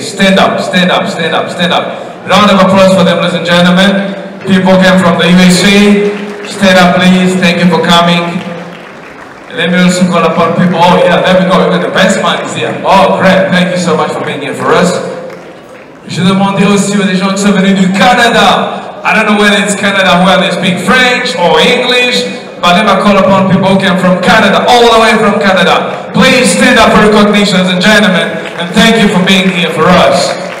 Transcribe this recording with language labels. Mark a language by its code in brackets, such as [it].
[en] Stand up, stand up, stand up, stand up. Round of applause for them, ladies and gentlemen. People came from the USA. Stand up, please. Thank you for coming. Let me also call upon people. Oh, yeah, there we go. Even the best man is here. Oh, great. Thank you so much for being here for us. [fr] Je demande aussi aux gens qui sont venus du Canada. [en] I don't know whether it's Canada, whether they speak French or English, but if I call upon people who came from Canada, all the way from Canada, please stand up for recognition, ladies and gentlemen, and thank you for being here for us.